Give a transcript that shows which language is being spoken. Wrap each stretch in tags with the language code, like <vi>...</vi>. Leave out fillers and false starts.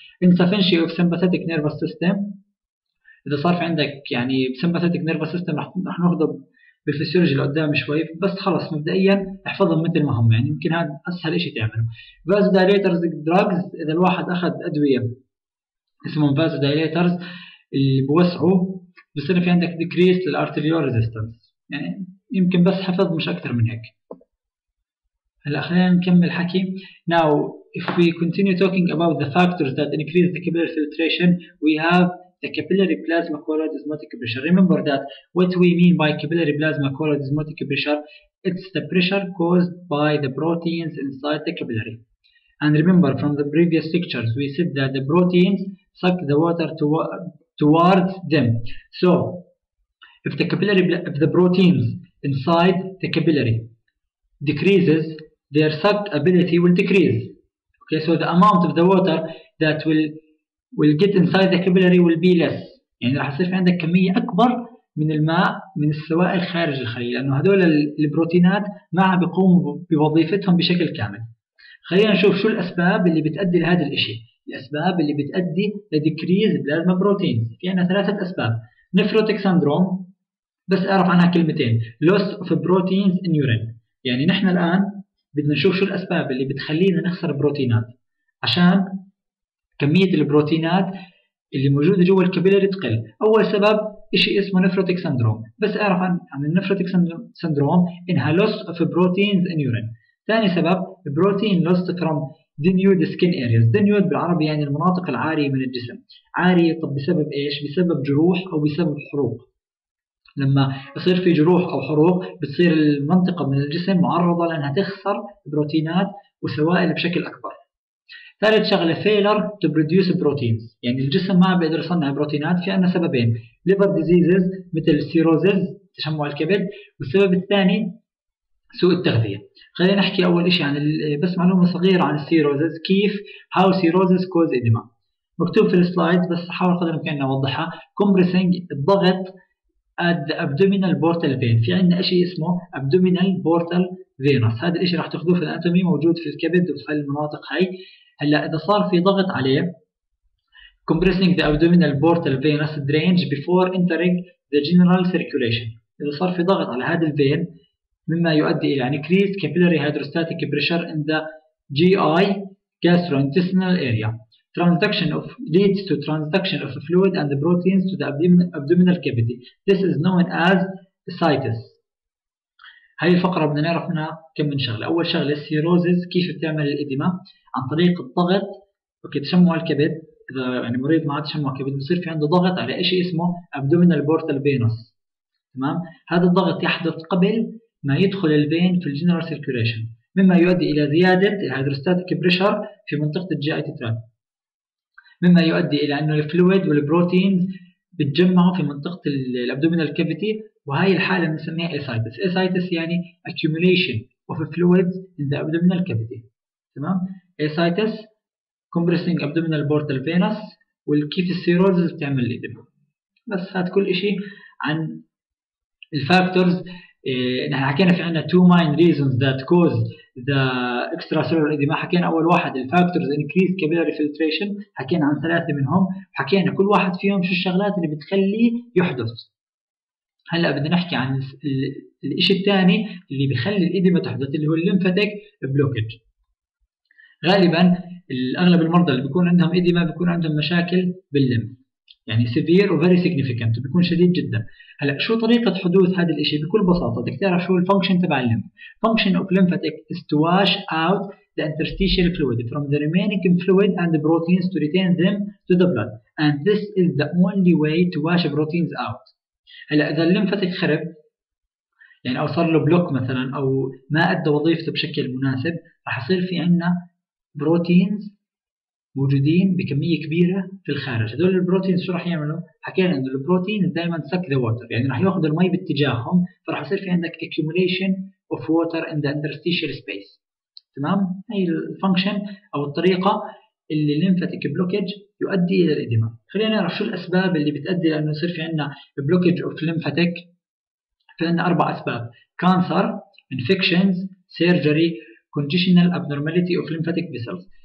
<en>insufficiency of sympathetic nerves system,</en> <ar>اذا صار في عندك يعني سمباثيتك نيرفس سيستم رح ناخذه بالفسيولوجي لقدام شوي، بس خلص مبدئيا احفظهم مثل ما هم، يعني يمكن هذا اسهل شيء تعمله.</ar> <en>vasodilators drugs,</en> <ar>اذا الواحد اخذ ادويه اسمهم فازو دايليترز اللي بوسعوا بس انا في عندك decrease</ar> <en>للارتيريال ريزيستنس،</en> <ar>يعني يمكن بس حفظ مش اكثر من هيك. هلا خلينا نكمل حكي.</ar> <en>Now if we continue talking about the factors that increase the capillary filtration, we have the capillary plasma colloid osmotic pressure. Remember that what we mean by capillary plasma colloid osmotic pressure, it's the pressure caused by the proteins inside the capillary. And remember from the previous lectures we said that the proteins suck the water towards them. So if the proteins inside the capillary decreases, their suck ability will decrease. Okay, so the amount of the water that will get inside the capillary will be less.</en> <ar>يعني راح يصير في عندك كمية أكبر من الماء من السوائل خارج الخلية، لأنه هذول البروتينات ما عم بيقوموا بوظيفتهم بشكل كامل. خلينا نشوف شو الأسباب اللي بتأدي لهذا الإشي، الأسباب اللي بتأدي</ar> <en>لديكريز plasma protein.</en> <ar>في عندنا ثلاثة أسباب.</ar> <en>nephrotic syndrome,</en> <ar>بس أعرف عنها كلمتين.</ar> <en>Loss of proteins in urine.</en> <ar>يعني نحن الآن بدنا نشوف شو الأسباب اللي بتخلينا نخسر بروتينات عشان كمية البروتينات اللي موجودة جوا الكابيلاري تقل. أول سبب إشي اسمه نفروتيك سندروم، بس أعرف عن النفروتيك سندروم إنها</ar> <en>loss of proteins in urine.</en> <ar>ثاني سبب</ar> <en>protein lost from denude skin areas.</en> <ar>denude بالعربي يعني المناطق العارية من الجسم. عارية طب بسبب إيش؟ بسبب جروح أو بسبب حروق. لما يصير في جروح أو حروق بتصير المنطقة من الجسم معرضة لأنها تخسر بروتينات وسوائل بشكل أكبر. ثالث شغلة</ar> <en>failure to produce proteins،</en> <ar>يعني الجسم ما بيقدر يصنع بروتينات. في عنا سببين:</ar> <en>liver diseases</en> <ar>مثل cirrhosis تشمع الكبد، والسبب الثاني سوء التغذية. خلينا نحكي أول إشي عن بس معلومة صغيرة عن cirrhosis، كيف</ar> <en>how cirrhosis cause edema.</en> <ar>مكتوب في السلايد بس حاول قدر الإمكان أوضحها.</ar> <en>compressing</en> <ar>الضغط</ar> <en>at the abdominal portal vein.</en> <ar>في عندنا إشي اسمه</ar> <en>abdominal portal venous.</en> <ar>هذا الإشي راح تاخذوه في الأناتومي، موجود في الكبد وفي المناطق هاي. هلا إذا صار في ضغط عليه</ar> <en>compressing the abdominal portal venous drainage before entering the general circulation.</en> <ar>إذا صار في ضغط على هذا الفين مما يؤدي إلى</ar> <en>increased capillary hydrostatic pressure in the GI gastrointestinal area. Transduction of leads to transduction of fluid and the proteins to the abdominal cavity. This is known as ascites.</en> <ar>هاي الفقرة بدنا نعرف منها كم من شغلة. أول شغلة cirrhosis، كيف بتعمل الإديمة؟ عن طريق الضغط. أوكي، تشمع الكبد. إذا يعني مريض ما عاد تشمع الكبد بصير في عنده ضغط على إشي اسمه</ar> <en>abdominal portal venous.</en> <ar>تمام؟ هذا الضغط يحدث قبل ما يدخل الفين في الجنرال سيركيوليشن، مما يؤدي الى زياده</ar> <en>الهيدروستاتيك بريشر</en> <ar>في منطقه الجي اي تراك، مما يؤدي الى انه الفلويد والبروتينز بتجمعوا في منطقه</ar> <en>الابدومينال كافيتي،</en> <ar>وهي الحاله بنسميها اسايتس. اسايتس يعني</ar> <en>accumulation of fluids in the abdominal cavity.</en> <ar>تمام، اسايتس</ar> <en>compressing abdominal portal venous،</en> <ar>والكيف السيروزز بتعمل لي. بس هذا كل شيء عن الفاكتورز. نحن حكينا في عنا</ar> <en>two main reasons that cause the extracellular edema.</en> <ar>حكينا أول واحد</ar> <en>the factors increase capillary filtration،</en> <ar>حكينا عن ثلاثة منهم، حكينا كل واحد فيهم شو الشغلات اللي بتخلي يحدث. هلأ بدنا نحكي عن الإشي الثاني اللي بيخلي الإديمة تحدث، اللي هو</ar> <en>lymphatic blockage.</en> <ar>غالبا الأغلب المرضى اللي بيكون عندهم إديمة بيكون عندهم مشاكل باللم، يعني severe و</ar> <en>very significant،</en> <ar>بيكون شديد جدا. هلا شو طريقة حدوث هذا الاشي؟ بكل بساطة بدك تعرف شو الفانكشن تبع الليمف.</ar> <en>function of lymphatic is to wash out the interstitial fluid from the remaining fluid and the proteins to retain them to the blood. And this is the only way to wash proteins out.</en> <ar>هلا إذا الليمفاتيك خرب، يعني أو صار له بلوك مثلا أو ما أدى وظيفته بشكل مناسب، راح يصير في عندنا proteins موجودين بكمية كبيرة في الخارج. هذول البروتين شو راح يعملوا؟ حكينا انه البروتين دائما</ar> <en>suck the water،</en> <ar>يعني راح ياخذ المي باتجاههم، فراح يصير في عندك</ar> <en>accumulation of water in the interstitial space.</en> <ar>تمام؟ هي الفانكشن او الطريقة اللي</ar> <en>lymphatic blockage</en> <ar>يؤدي الى الإديمة. خلينا نعرف شو الأسباب اللي بتأدي لأنه يصير في عندنا</ar> <en>blockage of lymphatic.</en> <ar>في عندنا أربع أسباب:</ar> <en>cancer, infections, surgery, congenital abnormality of lymphatic vessels.</en>